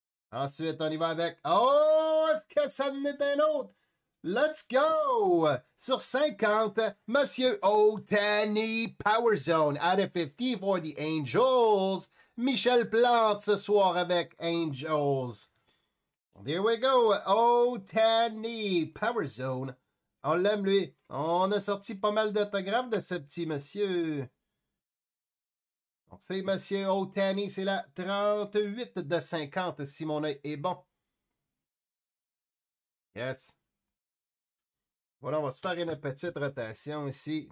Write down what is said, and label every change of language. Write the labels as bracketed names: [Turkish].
[French] Ensuite, on y va avec... Oh, est-ce que ça en est un autre? [English] Let's go! [French] Sur 50, Monsieur [English] Otani, Power Zone, out of 50 for the Angels. [French] Michel Plante ce soir avec Angels. [English] There we go, Otani, Power Zone. [French] On l'aime lui. On a sorti pas mal d'autographes de ce petit monsieur. Donc c'est Monsieur Otani, c'est la 38 de 50, si mon œil est bon. [English] Yes. [French] Voilà, on va se faire une petite rotation ici.